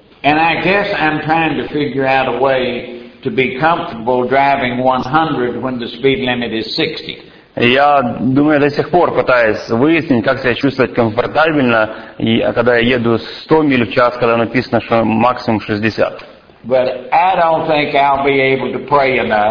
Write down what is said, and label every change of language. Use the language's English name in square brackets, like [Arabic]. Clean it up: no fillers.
[English] And I guess I'm trying to figure out a way to be comfortable driving 100 when the speed limit is 60. [Russian] Я думаю, до сих пор пытаюсь выяснить, как себя чувствовать комфортабельно, когда я еду 100 миль в час, когда написано, что максимум 60. [English] But I don't think I'll be able to pray enough.